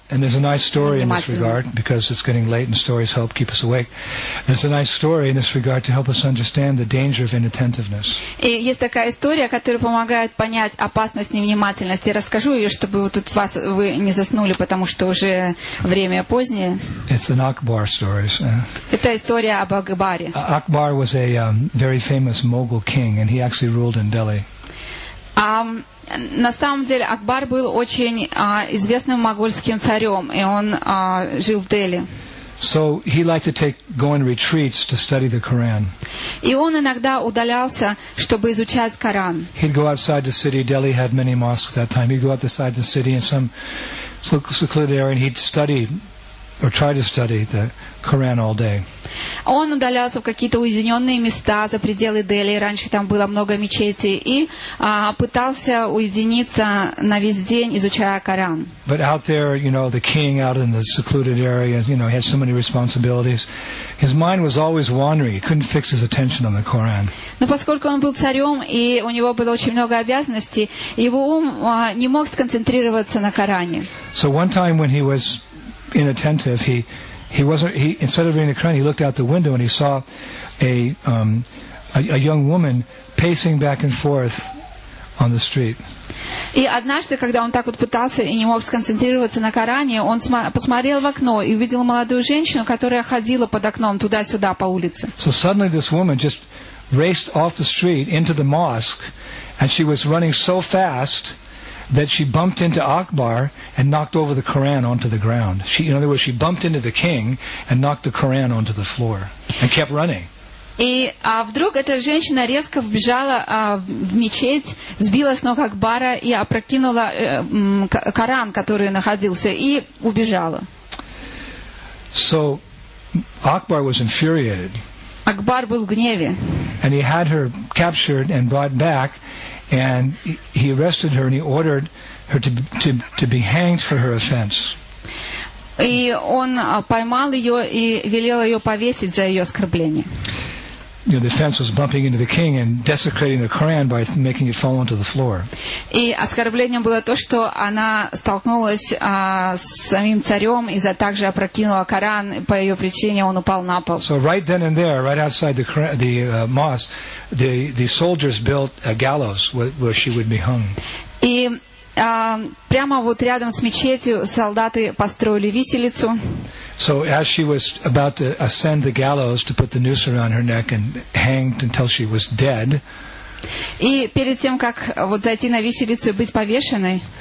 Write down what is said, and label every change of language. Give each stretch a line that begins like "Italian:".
English: And there's a nice story in this regard, because it's getting late and stories help keep us awake. There's a nice story in this regard to help us understand the danger of inattentiveness.
Russian: И есть такая история, которая помогает понять опасность невнимательности. Я расскажу ее, чтобы тут вы не заснули, потому что уже время позднее.
English: It's an Akbar story.
Russian: Это история об Акбаре.
English: Akbar was a very famous Mughal king, and he actually ruled in Delhi.
Russian: На самом деле Акбар был очень известным могольским царем, и он жил в Дели.
English: So he liked to take go on retreats to study the Quran.
Russian: И он иногда удалялся, чтобы изучать Коран.
English: He'd go outside the city. Delhi had many mosques that time. He'd go outside the city in some secluded area and he'd study or try to study the Quran all day.
Russian: Он удалялся в какие-то уединенные места за пределы Дели. Раньше там было много мечетей и пытался уединиться на весь день, изучая Коран.
English: But out there, you know, the king out in the secluded area, you know, he had so many responsibilities. His mind was always wandering. He couldn't fix his attention on the Quran.
Russian: Но поскольку он был царем и у него было очень много обязанностей, его ум не мог сконцентрироваться на Коране.
English: So one time when he was inattentive, he instead of reading the Quran, he looked out the window and he saw a young woman pacing back and forth on the street.
Russian: И однажды, когда он так вот пытался и не мог сконцентрироваться на Коране, он посмотрел в окно и увидел молодую женщину, которая ходила под окном туда-сюда по улице.
English: So suddenly this woman just raced off the street into the mosque, and she was running so fast that she bumped into Akbar and knocked over the Quran onto the ground. She, in other words, she bumped into the king and knocked the Quran onto the floor and kept running.
Russian: И вдруг эта женщина резко вбежала в мечеть, сбила с ног Акбара и опрокинула Коран, который находился, и убежала.
English: So Akbar was infuriated.
Russian: Акбар был в гневе.
English: And he had her captured and brought back. And he arrested her, and he ordered her to be hanged for her offense.
Russian: И он поймал ее и велел ее повесить за ее оскорбление.
English: You know, the offense was bumping into the king and desecrating the Quran by making it fall onto the floor.
Russian: И оскорблением было то, что она столкнулась с самим царем и также опрокинула Коран, и по ее причине он упал на пол.
English: So right then and there, right outside the mosque, the soldiers built a gallows where she would be hung.
Russian: И прямо вот рядом с мечетью солдаты построили виселицу.
English: So as she was about to ascend the gallows to put the noose around her neck and hanged until she was dead.
Russian: И перед тем, как вот зайти на виселицу и быть повешенной,